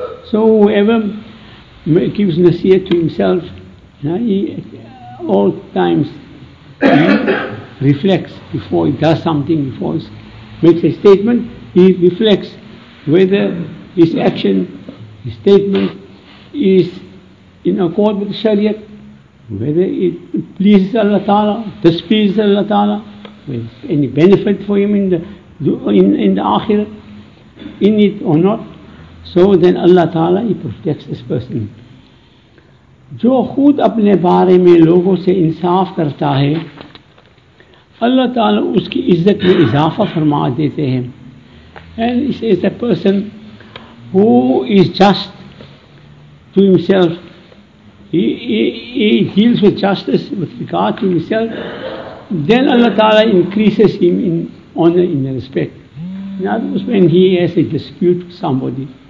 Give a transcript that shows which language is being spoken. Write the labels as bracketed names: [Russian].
[English] So whoever gives nasihat to himself, he at all times reflects before he does something, before he makes a statement, he reflects whether his action, his statement is in accord with Shariat, whether it pleases Allah Ta'ala, displeases Allah Ta'ala, whether there's any benefit for him in the Akhirah, in it or not. So then Allah Ta'ala, He protects this person. [Urdu] جو خود اپنے بارے میں لوگوں سے انصاف کرتا ہے اللہ تعالیٰ اس کی عزت میں اضافہ فرما دیتے ہیں. [English] And this is a person who is just to himself. He deals with justice with regard to himself. Then Allah Ta'ala increases him in honor, in respect. That was when he has a dispute with somebody.